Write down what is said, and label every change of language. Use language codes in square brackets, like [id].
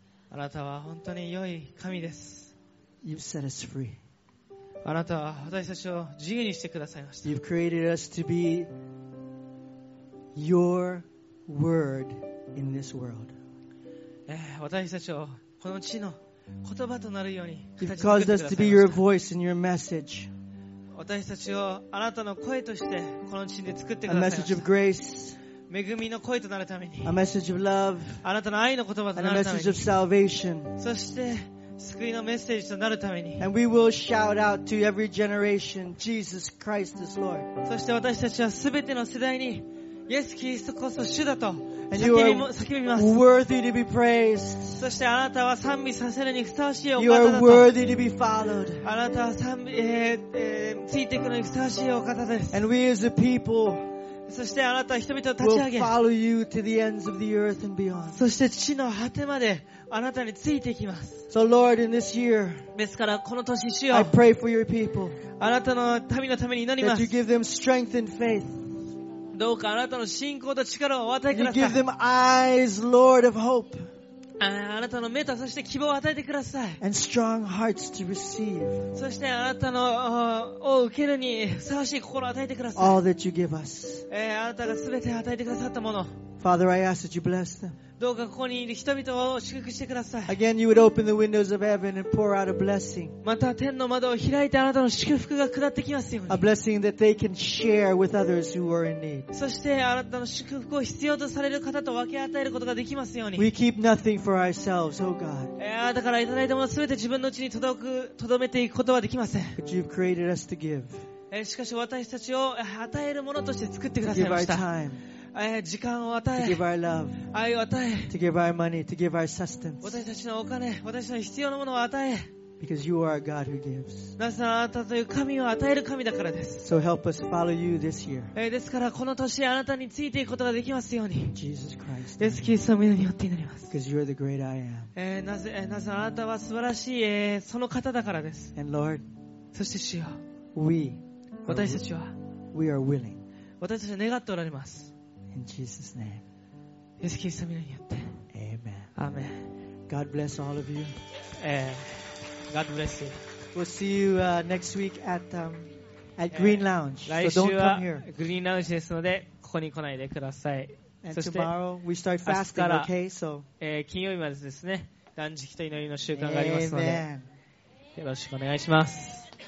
[ja] あなたは本当に良い神です。 [en] You've set us free. [ja] あなたは私たちを自由にしてくださいました。 [en] You've created us to be your word in this world. [ja] 私たちをこの地の言葉となるように [en] You've caused us to be your voice and your message. [ja] 私たちをあなたの声としてこの地で作ってくださいました。 [en] A message of grace. [ja] 恵みの声となるために、 [en] a message of love, [ja] あなたの愛の言葉となるために、 [en] a message of salvation, [ja] そして救いのメッセージとなるために、 [en] and we will shout out to every generation, Jesus Christ is Lord. [ja] そして私たちはすべての世代に、イエス・キリストこそ主だと叫びます。 [en] Worthy to be praised. [ja] そしてあなたは賛美させるにふさわしいお方だと。 [en] You are worthy to be followed. [ja] あなたは賛美、ついていくのにふさわしいお方です。 [en] And we as a people. [ja] そしてあなた人々を立ち上げ、 [en] we'll follow you to the ends of the earth and beyond. [ja] そして地の果てまであなたについていきます。 [en] So Lord, in this year, [ja] ですからこの年主 [en] よ、I pray for your people. [ja] あなたの民のために祈ります。 [en] That you give them strength and faith. [ja] どうかあなたの信仰と力をお与えください。 [en] You give them eyes, Lord, of hope. [ja] あなたの目とそして希望を与えてください。 [en] And strong hearts to receive. [ja] そしてあなたのを受けるにふさわしい心を与えてください。 [en] All that you give us. [ja] あなたがすべて与えてくださったもの。 [en] Father, I ask that you bless them. [ja] どうかここにいる人々を祝福してください。 [en] Again, you would open the windows of heaven and pour out a blessing. [ja] また天の窓を開いてあなたの祝福が下ってきますように。 [en] A blessing that they can share with others who are in need. [ja] そしてあなたの祝福を必要とされる方と分け与えることができますように。 [en] We keep nothing for ourselves, oh God. [ja] だからいただいたものすべて自分のうちに留めていくことはできません。 [en] But you've created us to give. [ja] しかし私たちを与えるものとして作ってくださいました。 [en] To give our time, [ja] 時間を与え、 [en] to give our love, [ja] 愛を与え、 [en] to give our money, to give our sustenance. [ja] 私たちのお金、私の必要なものを与え、 [en] because you are a God who gives. [ja] なぜならあなたという神を与える神だからです。 [en] So help us follow you this year. [ja] ですからこの年あなたについていくことができますように。 [en] Jesus Christ. [ja] イエスキリストの名によって祈ります。 [en] Because you are the great I am. [ja] なぜあなたは素晴らしい、その方だからです。 [en] And Lord. [ja] そして主よ。 [en] We. [ja] 私たちは、 [en] we are willing. [ja] 私たちは願っておられます。 [en] In Jesus' name. [ja] イエス・キリストの名によって。 [en] Amen. Amen. God bless all of you. God bless you. We'll see you next week at Green Lounge. So don't come here. [ja] 来週はグリーンラウンジですので、ここに来ないでください。 [en] And tomorrow we start fasting, okay? So, [ja] 金曜日までですね、断食と祈りの習慣がありますので、Amen. よろしくお願いします。